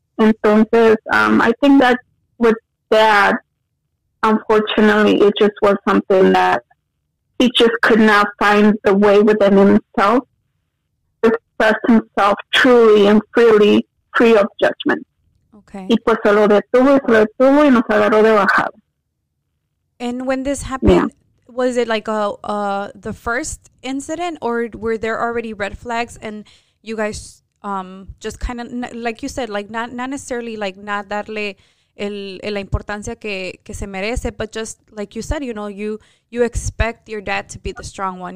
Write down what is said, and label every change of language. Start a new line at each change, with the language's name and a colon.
English: Entonces, I think that with that, unfortunately, it just was something that he just could not find the way within himself to express himself truly and freely, free of judgment. Okay.
Spanish: Y pues se lo detuvo y nos agarró de bajada.
English: And when this happened, yeah, was it like the first incident, or were there already red flags and you guys just kind of, like you said, like not necessarily like not
Spanish: darle la importancia que se merece,
English: but just like you said, you know, you expect your dad to be the strong one.